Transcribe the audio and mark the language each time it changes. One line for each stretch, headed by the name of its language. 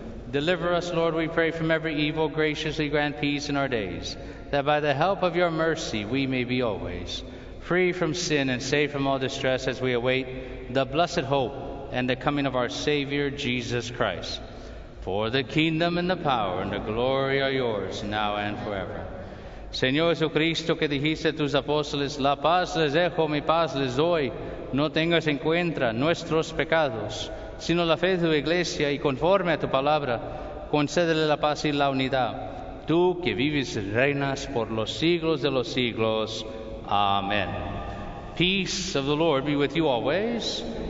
English: Deliver us, Lord, we pray, from every evil. Graciously grant peace in our days, that by the help of your mercy we may be always free from sin and safe from all distress as we await the blessed hope and the coming of our Savior, Jesus Christ. For the kingdom and the power and the glory are yours, now and forever.
Spanish: Señor Jesucristo, que dijiste a tus apóstoles, La paz les dejo, mi paz les doy. No tengas en cuenta nuestros pecados, sino la fe de tu iglesia, y conforme a tu palabra, concédele la paz y la unidad. Tú que vives y reinas por los siglos de los siglos. Amén.
English: Peace of the Lord be with you always.